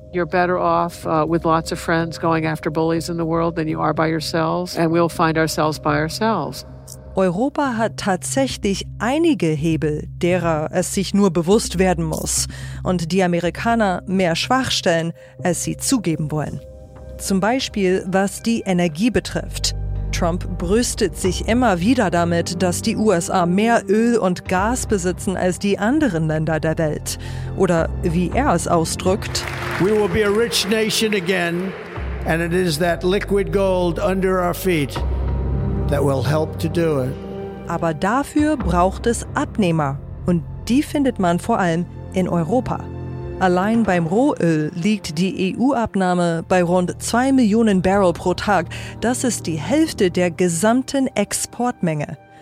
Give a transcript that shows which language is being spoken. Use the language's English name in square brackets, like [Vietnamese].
[English] You're better off with lots of friends going after bullies in the world than you are by yourselves, and we'll find ourselves by ourselves. [German] Europa hat tatsächlich einige Hebel, derer es sich nur bewusst werden muss, und die Amerikaner mehr Schwachstellen, als sie zugeben wollen. Zum Beispiel, was die Energie betrifft. Trump brüstet sich immer wieder damit, dass die USA mehr Öl und Gas besitzen als die anderen Länder der Welt. Oder wie er es ausdrückt: [English] We will be a rich nation again, and it is that liquid gold under our feet that will help to do it. [German] Aber dafür braucht es Abnehmer, und die findet man vor allem in Europa. Allein beim Rohöl liegt die EU-Abnahme bei rund 2 Millionen Barrel pro Tag. Das ist die Hälfte der gesamten Exportmenge.